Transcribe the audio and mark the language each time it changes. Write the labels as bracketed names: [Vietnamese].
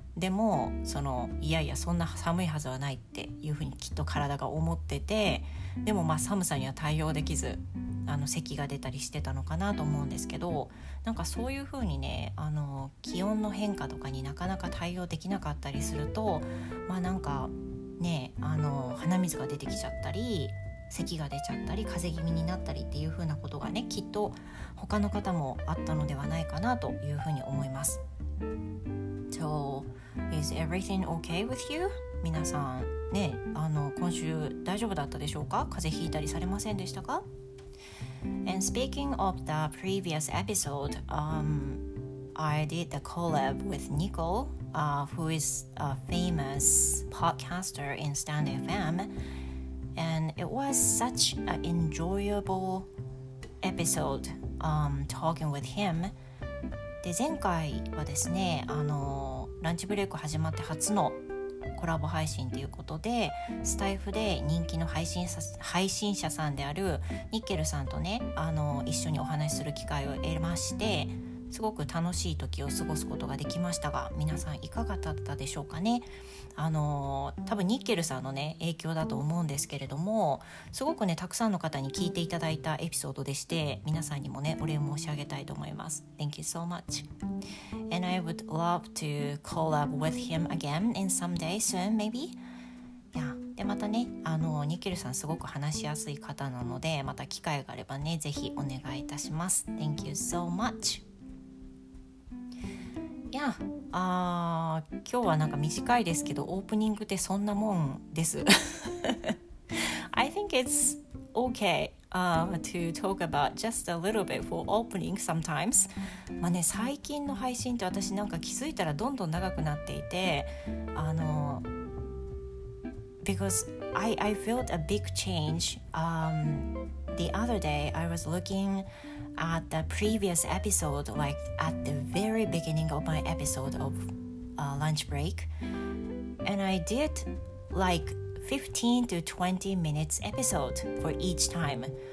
[Japanese] でも、いやいや、そんな寒いはずはないっていうふうにきっと体が思ってて、でもまあ寒さには対応できず、咳が出たりしてたのかなと思うんですけど、なんかそういう風にね、気温の変化とかになかなか対応できなかったりすると、まあなんかね、鼻水が出てきちゃったり、咳が出ちゃったり、風邪気味になったりっていう風なことがね、きっと他の方もあったのではないかなという風に思います。 [English] So, is everything okay with you? [Japanese] 皆さんね、今週大丈夫だったでしょうか？風邪ひいたりされませんでしたか？ [English] And speaking of the previous episode, I did the collab with Nicole, who is a famous podcaster in Stand FM, and it was such an enjoyable episode talking with him. [Japanese] で、前回はですね、ランチブレイク始まって初のコラボ配信ということでスタイフで人気の配信者さんであるニッケルさんとね一緒にお話しする機会を得ましてすごく楽しい時を過ごすことができましたが皆さんいかがだったでしょうかね多分ニッケルさんのね影響だと思うんですけれどもすごくねたくさんの方に聞いていただいたエピソードでして皆さんにもねお礼申し上げたいと思います [English] Thank you so much And I would love to collab with him again in someday soon maybe [Japanese] いやでまたねニッケルさんすごく話しやすい方なのでまた機会があればねぜひお願いいたします [English] Thank you so much Yeah. [Japanese] 今日はなんか短いですけどオープニングってそんなもんです [English] I think it's okay、to talk about just a little bit for opening sometimes. [Japanese] まあね、最近の配信って私なんか気づいたらどんどん長くなっていて、あの、 [English] because I felt a big change. The other day I was looking at the previous episode, like at the very beginning of my episode of、lunch break, and I did like 15 to 20 minutes episode for each time.